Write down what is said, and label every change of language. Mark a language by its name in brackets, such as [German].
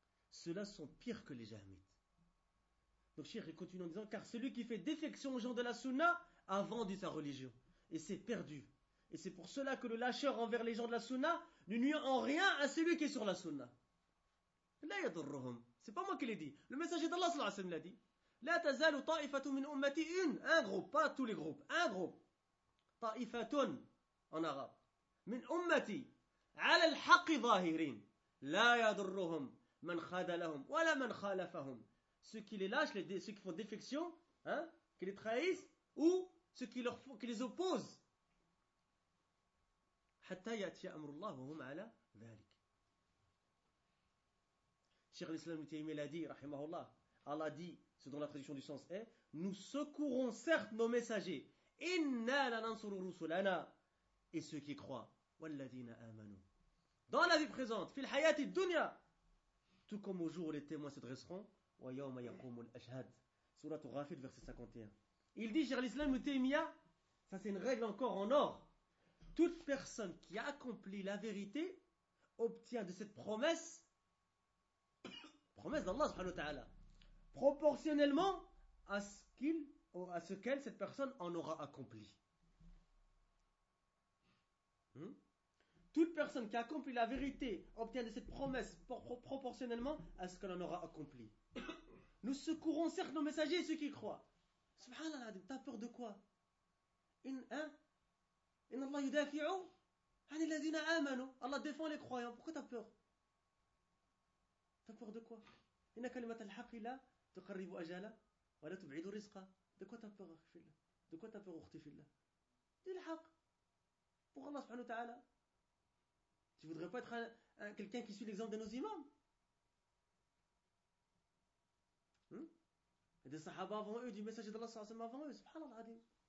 [French] Ceux-là sont pires que les jahmites. Donc, Cheikh, il continue en disant, car celui qui fait défection aux gens de la sunna a vendu sa religion. Et s'est perdu. Et c'est pour cela que le lâcheur envers les gens de la sunna ne nuit en rien à celui qui est sur la sunna. [Arabic] La yadurruhum. [French] C'est pas moi qui l'ai dit. Le messager d'Allah, sallallahu alayhi wa sallam, l'a dit. [Arabic] لا تزال طائفة من أمتي إن [French] un groupe, pas tous les groupes, un groupe, [Arabic] طائفة [French] en arabe, [Arabic] من أمتي على الحق ظاهرين لا يضرهم من خذلهم ولا من خالفهم. [French] Ceux qui les lâchent, ceux qui font défection, hein, qui les trahissent, ou ceux qui, leur, qui les opposent. [Arabic] حتى يأتي أمر الله وهم على ذلك. [French] Cheikh l'Islam Ibn Taymiyyah l'a dit, rahimahullah, Allah dit, selon la traduction du sens, est, nous secourons certes nos messagers, [Arabic] inna lanansuru rusulana, [French] et ceux qui croient, [Arabic] walladina amanu. [French] Dans la vie présente, [Arabic] fil hayati dunya, [French] tout comme au jour où les témoins se dresseront, [Arabic] wa yawma yaqumul ashhad. [French] Surat Ghafir, verset 51. Il dit, Cheikh l'Islam Ibn Taymiyyah, ça c'est une règle encore en or. Toute personne qui accomplit la vérité obtient de cette promesse, promesse d'Allah subhanahu wa ta'ala, proportionnellement à ce qu'il ou à ce qu'elle, cette personne en aura accompli. Hmm? Toute personne qui accomplit la vérité obtient de cette promesse proportionnellement à ce qu'elle en aura accompli. Nous secourons certes nos messagers et ceux qui croient. Subhanallah, t'as peur de quoi? [Arabic] إن الله يدافع عن الذين آمنوا الله يدافع عن الكرويان [French] pourquoi t'as peur? T'as peur de quoi? [Arabic] إن كلمة الحق لا تقرب أجلا ولا تبعد رزقا. [French] De quoi t'as peur [Arabic] أخي في الله? [French] De quoi t'as peur [Arabic] أختي في الله? [French] De الحق pour Allah [Arabic] سبحانه وتعالى. [French] Tu voudrais pas être quelqu'un qui suit l'exemple de nos imams? Des sahaba avant eux, du messager d'Allah [Arabic] صلى الله عليه وسلم [French] avant eux, [Arabic] سبحان الله العظيم.